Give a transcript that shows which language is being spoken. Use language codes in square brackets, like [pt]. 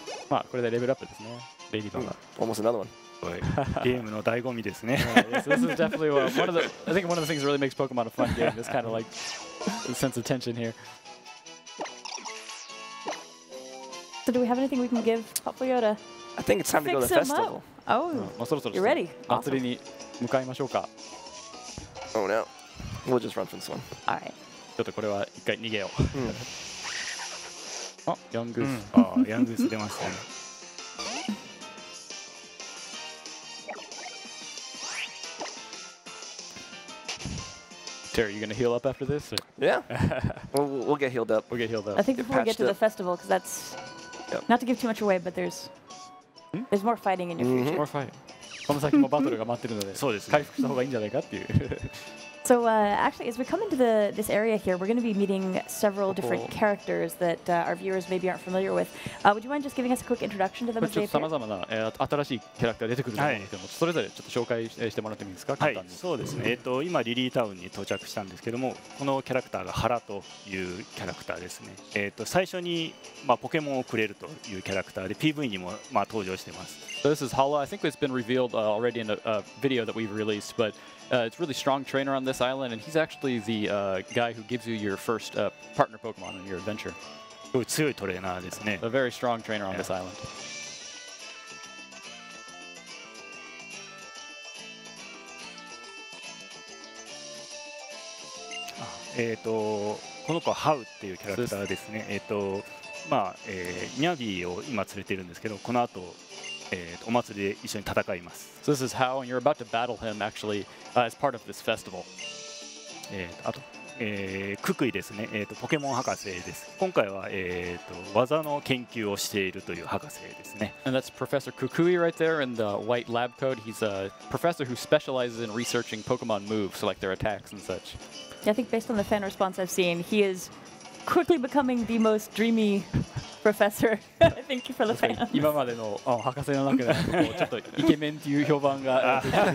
[ja] まあこれでレベルアップですね。レディバが。 [en] Almost another one. [ja] ゲームの醍醐味ですね。 [en] This is definitely one of the, I think one of the things that really makes Pokemon a fun game. This kind of like the sense of tension here. So do we have anything we can give Popoyota? I think it's time to go to the festival. Oh, you're ready. [ja] 祭りに向かいましょうか。 [en] Oh no. We'll just run from this one. All right. [ja] ちょっとこれは一回逃げよう。あ、ヤングース。あ、ヤングース出ましたね。 [en] Terry, are you going to heal up after this? Or? Yeah. we'll get healed up. We'll get healed up. I think get before we get to up. The festival, because that's... Yep. Not to give too much away, but there's... There's more fighting in your future. More fighting. [ja] この先もバトルが待ってるので、そうです。回復した方がいいんじゃないかっていう。 [en] So, actually, as we come into this area here, we're going to be meeting several different characters that our viewers maybe aren't familiar with. Would you mind just giving us a quick introduction to them? [ja] ちょっと様々な、新しいキャラクター出てくると思うんですけども、それぞれちょっと紹介してもらってもいいですか、簡単に。そうですね。今、リリータウンに到着したんですけども、このキャラクターがハラというキャラクターですね。最初に、まあ、ポケモンをくれるというキャラクターで、PV にも、まあ、登場しています。 [en] So this is Hala. I think it's been revealed already in a video that we've released, but it's a really strong trainer on this island, and he's actually the guy who gives you your first partner Pokemon in your adventure. A very strong trainer on this island. [ja] この子はハウっていうキャラクターですね。ニャビーを今連れているんですけど、この後お祭りで一緒に戦います。 [en] So this is how, and you're about to battle him actually, as part of this festival. [ja] あと、クックイですね。ポケモン博士です。今回は、技の研究をしているという博士ですね。 [en] And that's Professor Kukui right there in the white lab coat. He's a professor who specializes in researching Pokemon moves, like their attacks and such. Yeah, I think based on the fan response I've seen, he is quickly becoming the most dreamy. Professor, thank you for the fan. [ja] 今までの博士の中でちょっとイケメンという評判が。